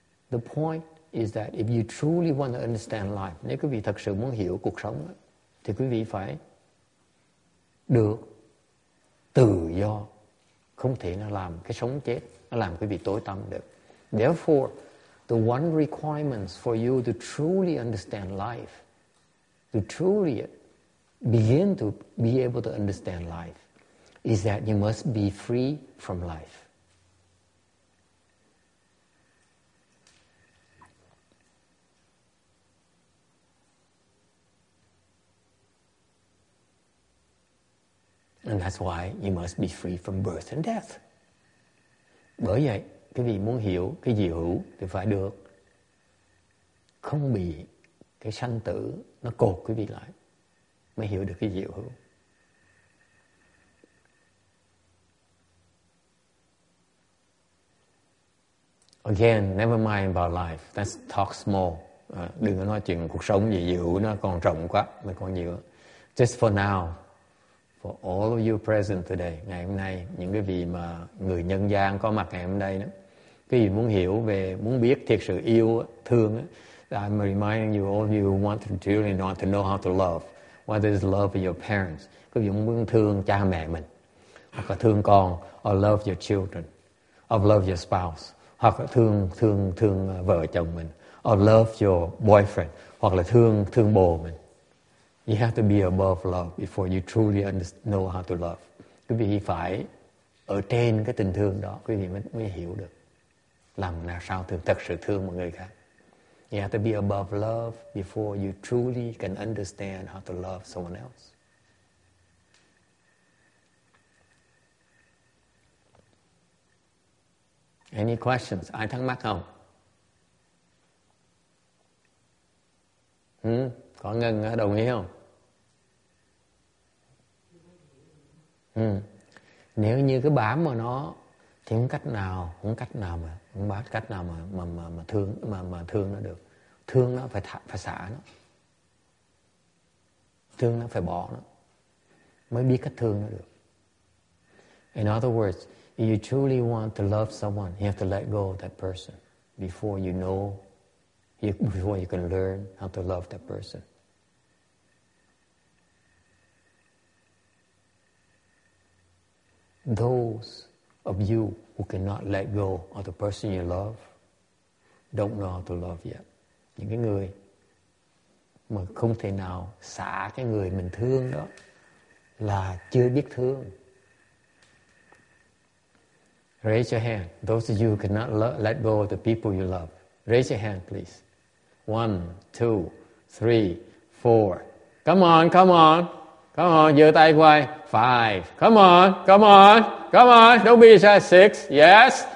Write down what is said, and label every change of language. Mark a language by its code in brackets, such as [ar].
[en] The point is that if you truly want to understand life, [vi] nếu quý vị thật sự muốn hiểu cuộc sống đó, thì quý vị phải được tự do, không thể nó làm cái sống chết, nó làm quý vị tối tăm được. [en] Therefore, the one requirements for you to truly understand life, to truly begin to be able to understand life, is that you must be free from life. And that's why you must be free from birth and death. [vi] Bởi vậy, quý vị muốn hiểu cái gì hữu thì phải được không bị cái sanh tử nó cột quý vị lại. mới hiểu được cái diệu hữu. [en] Again, never mind about life. Let's talk small. [vi] Đừng có nói chuyện cuộc sống gì, diệu hữu nó còn rộng quá, nó còn nhiều. [en] Just for now, for all of you present today, [vi] ngày hôm nay, những cái vị mà người nhân gian có mặt ngày hôm nay đó, cái gì muốn hiểu về, muốn biết thiệt sự yêu, thương đó, [en] I'm reminding you, all of you who want to really know, to know how to love, whether it's love for your parents, [vi] cái gì muốn thương cha mẹ mình, hoặc là thương con, [en] or love your children, or love your spouse, [vi] hoặc là thương vợ chồng mình, [en] or love your boyfriend, [vi] hoặc là thương bồ mình. [en] You have to be above love before you truly know how to love. [vi] Quý vị phải ở trên cái tình thương đó, quý vị mới hiểu được làm nào sao thương, thật sự thương một người khác. [en] You have to be above love before you truly can understand how to love someone else. Any questions? [vi] Ai thắc mắc không? Có Ngân đồng ý không? Nếu như cái bám mà nó thì không cách nào mà thương nó được. Thương nó phải xả nó. Thương nó phải bỏ nó. Mới biết cách thương nó được. [en] In other words, if you truly want to love someone, you have to let go of that person before you know, before you can learn how to love that person. Those of you who cannot let go of the person you love don't know how to love yet. [vi] Những cái người mà không thể nào xả cái người mình thương đó là chưa biết thương. [en] Raise your hand. Those of you who cannot let go of the people you love. Raise your hand, please. 1, 2, 3, 4. Come on, [vi] giơ tay quay. 5. [en] Come on. Don't be shy. 6. Yes.